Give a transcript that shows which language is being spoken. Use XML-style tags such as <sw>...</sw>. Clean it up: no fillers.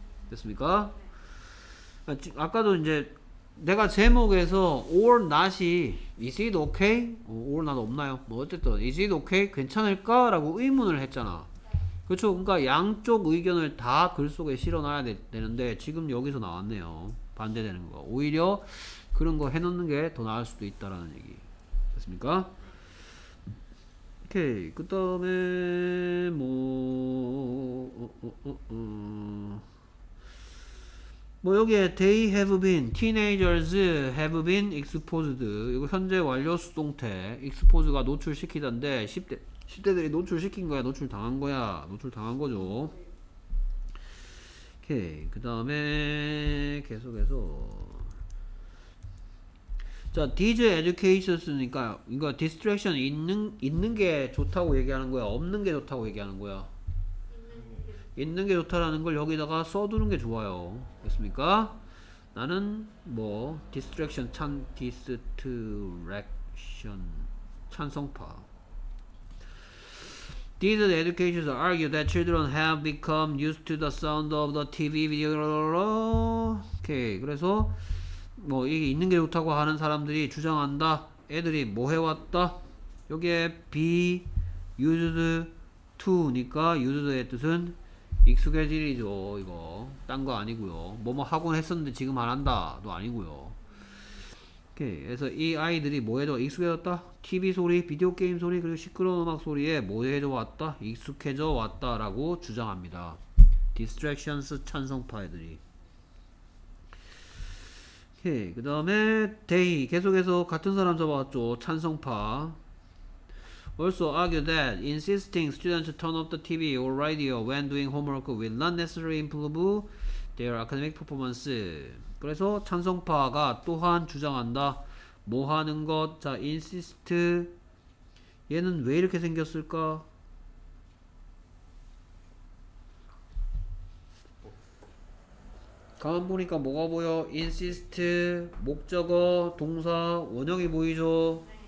<ko>됐습니까? 아까도 이제 내가 제목에서 or not이</ko> <en>is it okay? or not</en> <ko>없나요? 뭐 어쨌든</ko> <en>is it okay?</en> <ko>괜찮을까? 라고 의문을 했잖아. 그렇죠. 그러니까 양쪽 의견을 다 글 속에 실어놔야 되는데 지금 여기서 나왔네요. 반대되는 거. 오히려 그런 거 해놓는 게 더 나을 수도 있다라는 얘기. 됐습니까? 오케이. 그 다음에 뭐 여기에</ko> <en>they have been, teenagers have been exposed.</en> <ko>이거 현재 완료 수동태. expose가 노출시키던데 10대들이 노출시킨 거야? 노출당한 거야? 노출당한 거죠. 오케이. 그 다음에 계속해서 자,</ko> <en>these educations</en> <ko>니까 이거 distraction 있는 게 좋다고 얘기하는 거야? 없는 게 좋다고 얘기하는 거야? 있는 게 좋다라는 걸 여기다가 써두는 게 좋아요. 됐습니까? 나는 뭐 distraction 찬 distraction 찬성파.</ko> <en>These educators argue that children have become used to the sound of the TV video. Okay.</en> <ko>그래서 뭐 이게 있는 게 좋다고 하는 사람들이 주장한다. 애들이 뭐 해왔다. 여기에 be used to니까 used의 뜻은 익숙해질이죠. 이거 딴 거 아니고요. 뭐뭐 하곤 했었는데 지금 안 한다도 아니고요. 그래서 이 아이들이 뭐해도 익숙해졌다. TV 소리, 비디오 게임 소리, 그리고 시끄러운 음악 소리에 뭐해져 왔다. 익숙해져 왔다라고 주장합니다. Distractions 찬성파 애들이. 오케이. 그 다음에 they 계속해서 같은 사람 잡아왔죠. 찬성파.</ko> <en>Also argue that insisting students turn off the TV or radio when doing homework will not necessarily improve their academic performance.</en> <ko>그래서 찬성파가 또한 주장한다. 뭐 하는 것? 자, insist. 얘는 왜 이렇게 생겼을까? 가만 보니까 뭐가 보여? insist, 목적어, 동사, 원형이 보이죠?</ko>